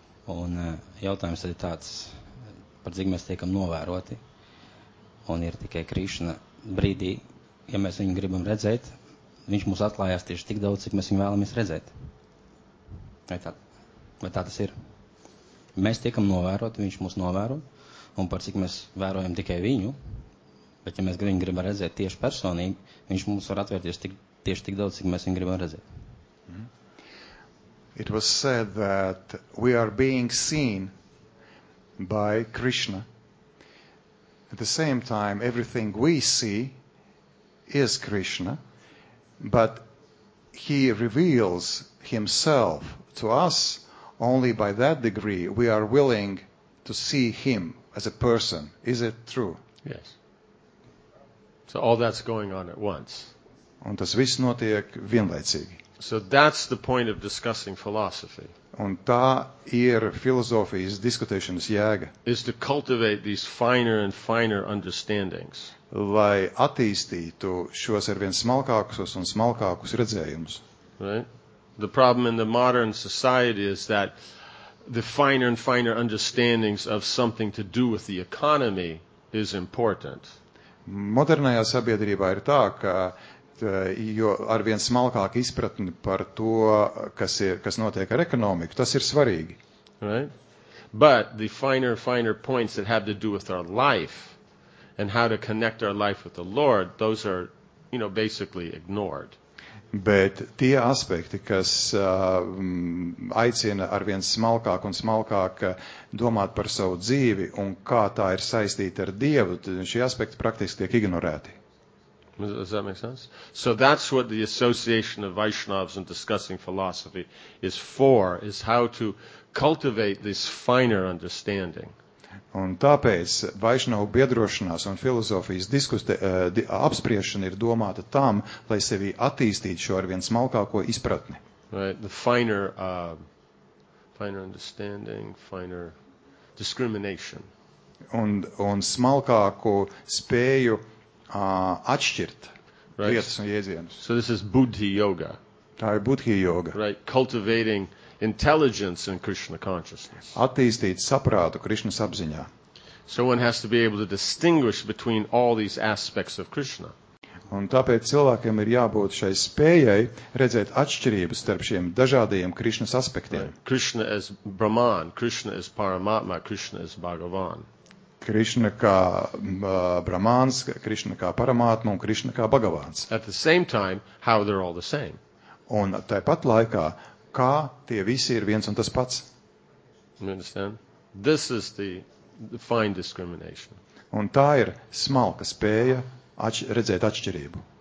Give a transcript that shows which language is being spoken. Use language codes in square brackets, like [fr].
[lv] Un jautājums tad ir tāds, par cik mēs tiekam novēroti, un ir tikai Krishna brīdī, ja mēs viņu gribam redzēt, viņš mūs atklājās tieši tik daudz, cik mēs viņu vēlamies redzēt. Vai tā tas ir? Mēs tiekam novēroti, viņš mūs novēro, un par cik mēs vērojam tikai viņu, bet ja mēs viņu gribam redzēt tieši personīgi, viņš mūs var atvērties tieši tik daudz, cik mēs viņu gribam redzēt. [en] It was said that we are being seen by Krishna. At the same time, everything we see is Krishna, but he reveals himself to us only by that degree we are willing to see him as a person. Is it true? Yes. So all that's going on at once. [lv] Un tas viss notiek vienlaicīgi. [en] So that's the point of discussing philosophy. [lv] Un tā ir filozofijas diskutēšanas jēga. [en] Is to cultivate these finer and finer understandings. [lv] Lai attīstītu šos arvien smalkākus un smalkākus redzējumus. [en] Right? The problem in the modern society is that the finer and finer understandings of something to do with the economy is important. [lv] Modernajā sabiedrībā ir tā, ka jo arvien smalkāk izpratni par to, kas notiek ar ekonomiku, tas ir svarīgi. [en] Right? But the finer points that have to do with our life and how to connect our life with the Lord, those are, you know, basically ignored. [lv] Bet tie aspekti, kas aicina arvien smalkāk un smalkāk domāt par savu dzīvi un kā tā ir saistīta ar Dievu, šie aspekti praktiski tiek ignorēti. [en] Does that make sense? So that's what the Association of Vaishnavas and Discussing Philosophy is for, is how to cultivate this finer understanding. [lv] Un tāpēc Vaišnava biedrošanās un filozofijas diskuste, apspriešana ir domāta tam, lai sevi attīstītu šo arvien smalkāko izpratni. [en] Right, the finer, finer understanding, finer discrimination. [lv] Un smalkāku spēju atšķirt right. lietas un jēdzienus. [en] So this is buddhi yoga. [lv] Tā ir buddhi yoga. [en] Right, cultivating intelligence in Krishna consciousness. [lv] Attīstīt saprātu Krishnas apziņā. [en] So one has to be able to distinguish between all these aspects of Krishna. [lv] Un tāpēc cilvēkiem ir jābūt šai spējai redzēt atšķirības starp šiem dažādajiem Krishnas aspektiem. [en] Right. Krishna as Brahman, Krishna as Paramatma, Krishna as Bhagavan. [lv] Krishna kā Brahmāns, Krishna kā Paramātma un Krishna kā Bhagavāns. [en] At the same time, how they're all the same. [lv] Un tāpat laikā, kā tie visi ir viens un tas pats. [en] You understand? This is the fine discrimination. [lv] Un tā ir smalka spēja redzēt atšķirību.